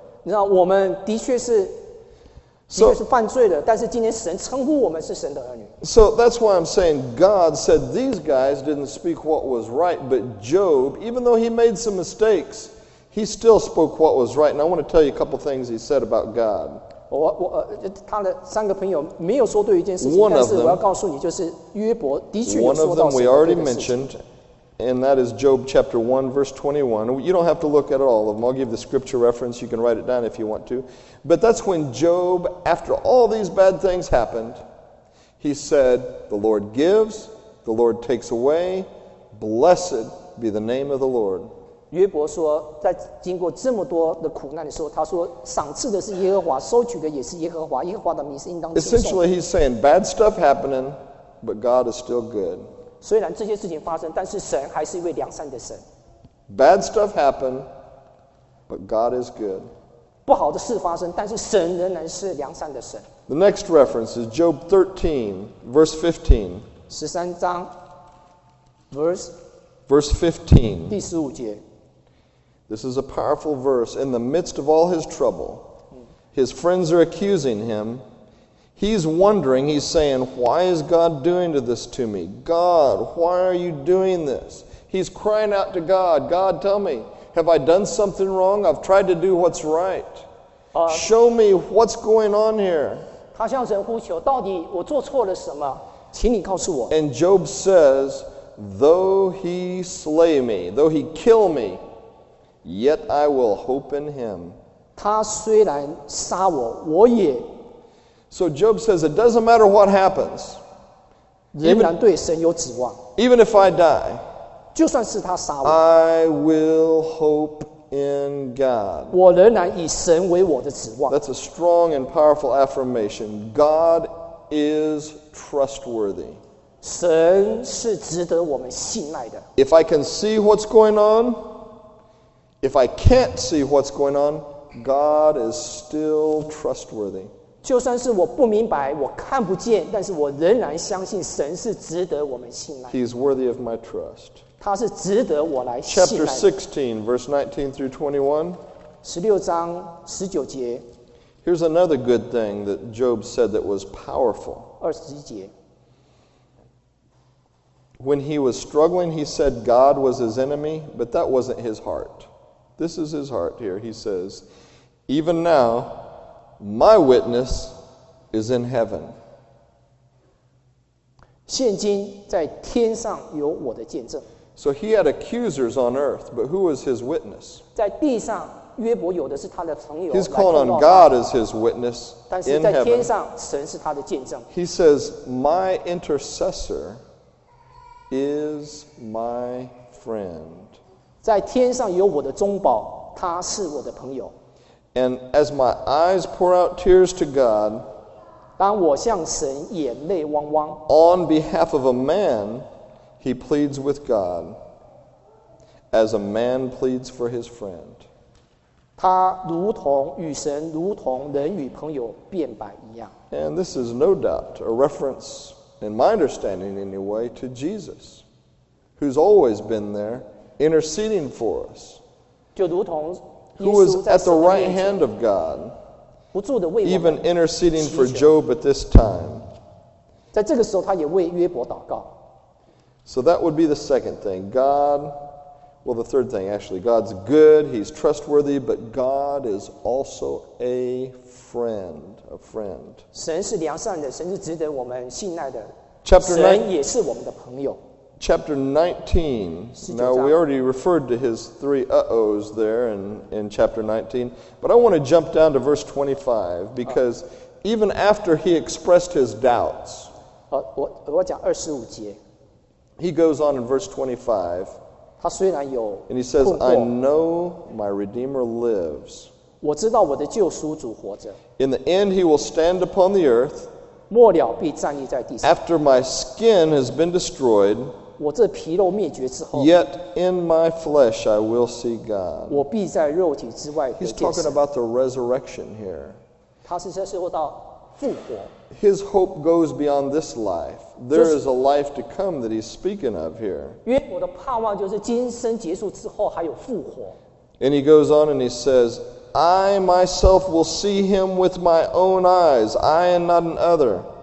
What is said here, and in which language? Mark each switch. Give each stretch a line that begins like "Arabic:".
Chinese: 你知道，我们的确是。
English: So,
Chinese: 是犯罪的，但是今天神称呼我们是神的儿女。
English: So that's why I'm saying God said these guys didn't speak what was right, but Job, even though he made some mistakes, he still spoke what was right. And I want to tell you a couple things he said about God.
Chinese: 他的三个朋友没有说对一件事情，但是我要告诉你，就是约伯的确有说到神。
English: One of them we already mentioned, and that is Job chapter 1, verse 21. You don't have to look at all of them. I'll give the scripture reference. You can write it down if you want to. But that's when Job, after all these bad things happened, he said, the Lord gives, the Lord takes away, blessed be the name of the Lord.
Chinese: 约伯说，在经过这么多的苦难的时候，他说，赏赐的是耶和华，收取的也是耶和华，耶和华的名是应当称颂。
English: Essentially, he's saying, bad stuff happening, but God is still good.
Chinese: 虽然这些事情发生，但是神还是一位良善的神。
English: Bad stuff happened, but God is good.
Chinese: 不好的事发生，但是神仍然是良善的神。
English: The next reference is Job 13, verse 15.
Chinese: 十三章
English: verse 15.
Chinese: 第十五节。
English: This is a powerful verse. In the midst of all his trouble, his friends are accusing him. He's wondering, he's saying, why is God doing this to me? God, why are you doing this? He's crying out to God, God, tell me. Have I done something wrong? I've tried to do what's right. Show me what's going on here.
Chinese: 他向神呼求，到底我做错了什么？请你告诉我。
English: And Job says, though he slay me, though he kill me, yet I will hope in him.
Chinese: 他虽然杀我，我也。
English: So Job says, it doesn't matter what happens.
Chinese: 仍然对神有指望。
English: Even if I die,
Chinese: 就算是他杀我
English: I will hope in God.
Chinese: 我仍然以神为我的指望。
English: That's a strong and powerful affirmation. God is trustworthy.
Chinese: 神是值得我们信赖的。
English: If I can see what's going on, if I can't see what's going on, God is still trustworthy.
Chinese: 就算是我不明白，我看不见，但是我仍然相信神是值得我们信赖。
English: He is worthy of my trust.
Chinese: 他是值得我来信赖的。
English: Chapter 16, verse 19 through 21.
Chinese: 十六章十九节。
English: Here's another good thing that Job said that was powerful.
Chinese: 二十一节。
English: When he was struggling, he said God was his enemy, but that wasn't his heart. This is his heart here. He says, even now, my witness is in heaven.
Chinese: 现今在天上有我的见证。
English: So he had accusers on earth, but who was his witness?
Chinese: 在地上，约伯有的是他的朋友。
English: He's calling on God as his witness in heaven.
Chinese: 但是在天上，神是他的见证。
English: He says, "My intercessor is my friend."
Chinese: 在天上有我的中保，他是我的朋友。
English: And as my eyes pour out tears to God,
Chinese: 当我向神眼泪汪汪
English: on behalf of a man. He pleads with God as a man pleads for his friend.
Chinese: 他如同与神如同人与朋友辩白一样。
English: And this is no doubt a reference, in my understanding anyway, to Jesus, who's always been there interceding for us.
Chinese: 就如同耶稣在神的面前。
English: Who is at the right hand of God,
Chinese: 不住地为我们祈求。
English: Even interceding for Job at this time.
Chinese: 在这个时候他也为约伯祷告。
English: So that would be the second thing. God, well, the third thing, actually. God's good, he's trustworthy, but God is also a friend, a friend.
Chinese: 神是良善的，神是值得我们信赖的。
English: Chapter
Chinese: 19, 神也是我们的朋友。
English: Chapter 19, now we already referred to his three uh-ohs there in chapter 19, but I want to jump down to verse 25, because even after he expressed his doubts,
Chinese: 我讲二十五节。
English: He goes on in verse 25,
Chinese: 他虽然有困惑,
English: and he says, I know my Redeemer lives.
Chinese: 我知道我的救赎主活着。
English: In the end, he will stand upon the earth.
Chinese: 末了必站立在地上。
English: After my skin has been destroyed,
Chinese: 我这皮肉灭绝之后，
English: yet in my flesh I will see God.
Chinese: 我必在肉体之外得见神。
English: He's talking about the resurrection here.
Chinese: 他是在说到复活。
English: His hope goes beyond this life. There is a life to come that he's speaking of here.
Chinese: 约伯的盼望就是今生结束之后还有复活。
English: And he goes on and he says, I myself will see him with my own eyes, I and not another.